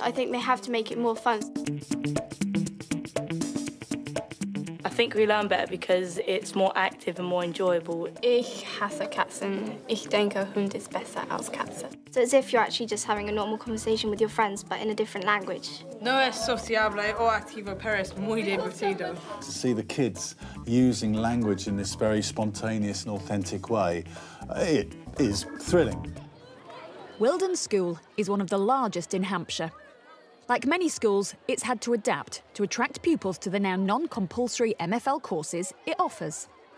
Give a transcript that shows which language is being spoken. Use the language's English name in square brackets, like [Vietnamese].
[English] I think they have to make it more fun. I think we learn better because it's more active and more enjoyable. [German] Ich hasse Katzen. Ich denke, Hund ist besser als Katze. [English] So it's as if you're actually just having a normal conversation with your friends, but in a different language. [Spanish] No es sociable o activo, pero es muy divertido. [English] To see the kids using language in this very spontaneous and authentic way, it is thrilling. Wildon School is one of the largest in Hampshire. Like many schools, it's had to adapt to attract pupils to the now non-compulsory MFL courses it offers.